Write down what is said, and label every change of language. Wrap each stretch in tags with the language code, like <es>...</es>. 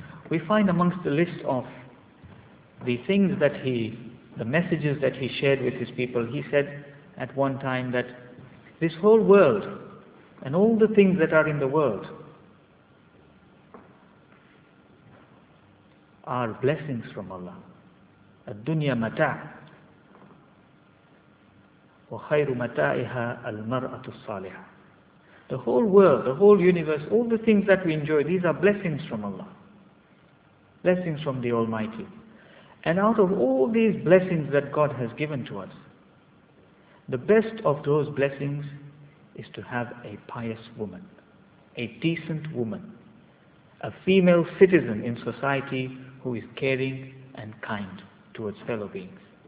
<en>we find amongst the list of the things that he, the messages that he shared with his people, he said at one time that this whole world and all the things that are in the world are blessings from Allah.</en> <ar>الدنيا متاع وخير متاعها المرأة الصالحة.</ar> <en>The whole world, the whole universe, all the things that we enjoy, these are blessings from Allah. Blessings from the Almighty. And out of all these blessings that God has given to us, the best of those blessings is to have a pious woman, a decent woman, a female citizen in society who is caring and kind towards fellow beings.</en>